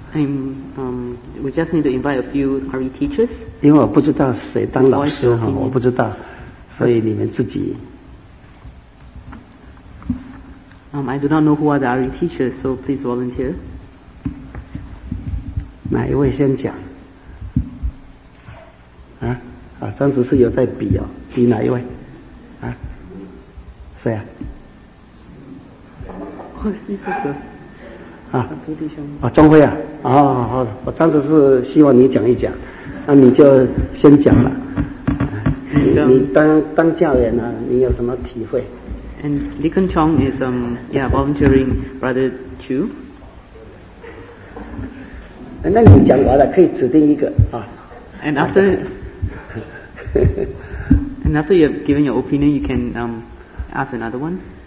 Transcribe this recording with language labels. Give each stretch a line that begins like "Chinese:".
Chinese: 几个讲一讲，不必全体了，全体时间也不够了。
English: We just need to invite a few RE teachers.
Chinese: 因为我不知道谁当老师，我不知道，所以你们自己。
English: I do not know who are the RE teachers, so please volunteer.
Chinese: 哪一位先讲？张执事有在比哦，比哪一位？谁啊？我是一个啊，钟辉啊，哦，我张子是希望你讲一讲，那你就先讲了。你当教员呢，你有什么体会 ？
English: And Li Kengqiong is volunteering Brother Chu.
Chinese: 那你讲完了，可以指定一个啊。
English: And after and after you've given your opinion, you can ask another one.